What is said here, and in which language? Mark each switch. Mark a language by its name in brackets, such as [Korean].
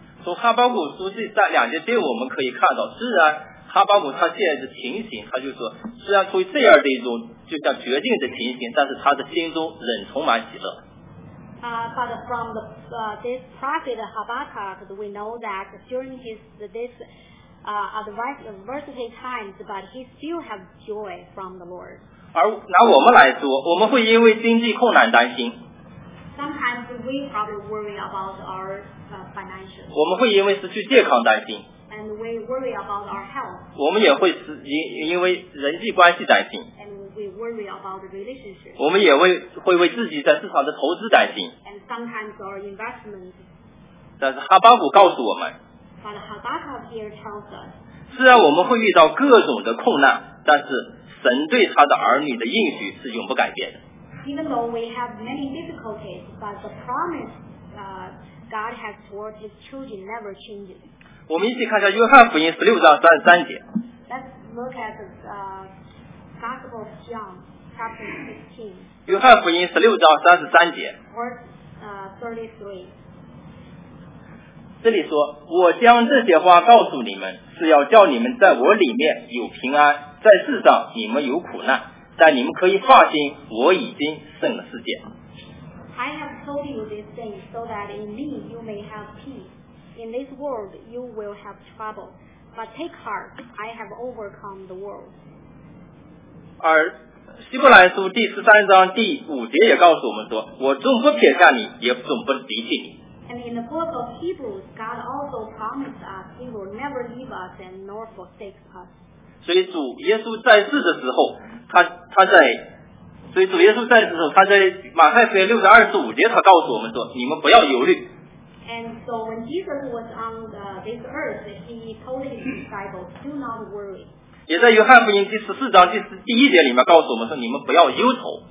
[Chinese] 从哈巴谷书这三两节经我们可以看到虽然哈巴谷他现在的情形他就说虽然处于这样的一种就像绝境的情形但是他的心中仍充满喜乐 [English] But from the, this prophet Habakkuk we know that during his, this adversity times but he still has joy from the Lord [Chinese] 而拿我们来说我们会因为经济困难担心 [English] Sometimes we probably worry about ourfinancial. [Chinese] 我们会因为失去健康担心 [English] and we worry about our health [Chinese] 我们也会因为人际关系担心 [English] and we worry about the relationship [Chinese] 我们也会为自己在市场的投资担心 [English] and sometimes our investment [Chinese] 但是哈巴谷告诉我们 [English] but Habakkuk here tells us [Chinese] 虽然我们会遇到各种的困难但是神对他的儿女的应许是永不改变的 [English] even though we have many difficulties but the promise God has toward his children never changes. [Chinese] 我们一起看一下约翰福音十六章三十三节。 [English] Let's look at the Gospel of John, chapter 16. [Chinese] 约翰福音十六章三十三节。 [English] Verse 33. [Chinese] 这里说，我将这些话告诉你们，是要叫你们在我里面有平安，在世上你们有苦难，但你们可以放心，我已经胜了世界。 [English] I have told you these things so that in me you may have peace. In this world you will have trouble. But take heart, I have overcome the world. [Chinese] 而希伯来书第十三章第五节也告诉我们说，我总不撇下你，也总不离弃你。 [English] And in the book of Hebrews, God also promised us he will never leave us and nor forsake us. [Chinese] 所以主耶稣在世的时候，他在所以主耶稣在世的时候他在马太福音六章二十五节他告诉我们说你们不要忧虑 [English] and so when Jesus was on this earth he told his disciples do not worry [Chinese] 也在约翰福音第十四章第一节里面告诉我们说你们不要忧愁